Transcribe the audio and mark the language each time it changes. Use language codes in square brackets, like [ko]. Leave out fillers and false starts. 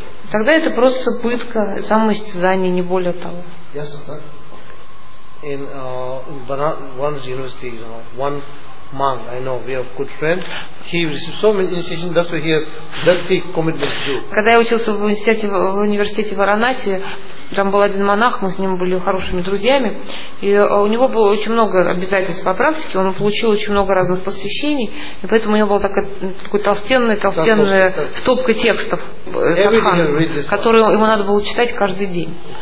[ru] Тогда это просто пытка, самоистязание, не более того. [en] In Banaras University, you know, one monk I know, we have good friend. He received so many initiation, that's why he has that big commitment to do. [ru] Когда я учился в университете Варанаси, там был один монах, мы с ним были хорошими друзьями, и у него было очень много обязательств по практике, он получил очень много разных посвящений, и поэтому у него была такая толстенная стопка текстов садхан, которые ему надо было читать каждый день.